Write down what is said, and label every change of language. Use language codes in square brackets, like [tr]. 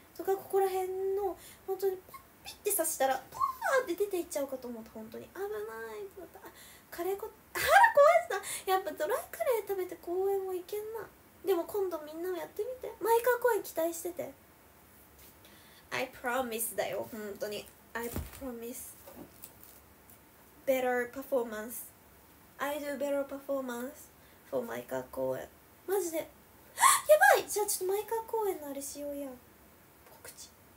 [ja] とかここら辺の本当にピッピッて刺したらパーって出ていっちゃうかと思った、本当に危ない。また、カレー粉、あら壊した。やっぱドライカレー食べて公園も行けんな。でも今度みんなもやってみて、マイカー公園期待してて。 [en] I promise [ja] だよ、本当に。 [en] I promise better performanceI do better performance for マイカー公演。 [ja] マジでやばい。じゃあちょっとマイカー公演のあれしようやん。告知。